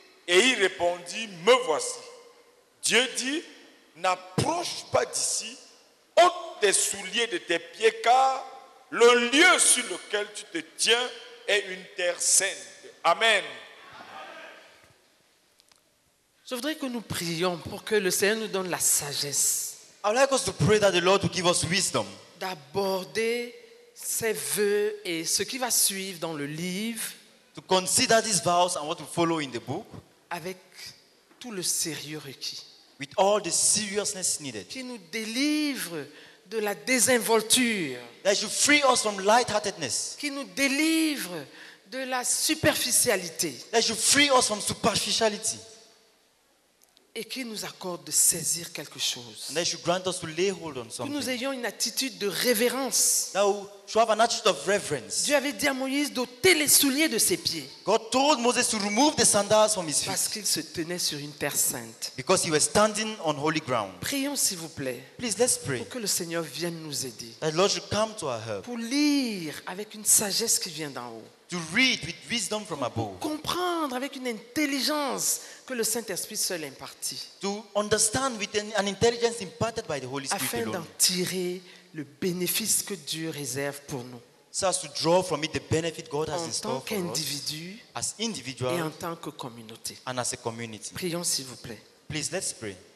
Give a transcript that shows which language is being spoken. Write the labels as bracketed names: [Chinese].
[French] Et il répondit, me voici. Dieu dit, n'approche pas d'ici, ôte tes souliers de tes pieds, car le lieu sur lequel tu te tiens est une terre sainte. Amen. Je voudrais que nous prions pour que le Seigneur nous donne la sagesse. [English] I would like us to pray that the Lord will give us wisdom. [French] D'aborder ses vœux et ce qui va suivre dans le livre. [English] To consider these vows and what will follow in the book. [French] Avec tout le sérieux requis. [English] With all the seriousness needed. [French] Qui nous délivre de la désinvolture. [English] That should free us from lightheartedness. [French] Qui nous délivre de la superficialité. [English] That should free us from superficiality. [French] Et qui nous accorde de saisir quelque chose. [English] That should grant us to lay hold on something. [French] Que nous ayons une attitude de révérence. [English] That we should have an attitude of reverence. [French] Dieu avait dit à Moïse d'ôter les souliers de ses pieds. [English] God told Moses to remove the sandals from his feet. [French] Parce qu'il se tenait sur une terre sainte. [English] Because he was standing on holy ground. [French] Prions s'il vous plaît. [English] Please let's pray. [French] Pour que le Seigneur vienne nous aider. [English] That the Lord should come to our help. [French] Pour lire avec une sagesse qui vient d'en haut. [English] To read with wisdom from above. [French] Comprendre avec une intelligence que le Saint-Esprit seul impartit. [English] To understand with an intelligence imparted by the Holy Spirit [French] afin [English] alone. [French] D'en tirer le bénéfice que Dieu réserve pour nous. [English] So as to draw from it the benefit God has [French] en [English] in store for [French] qu'individu [English] us. As individual [French] et en tant que communauté. [English] And as a community. [French] Prions s'il vous plaît. [English] Please let's pray.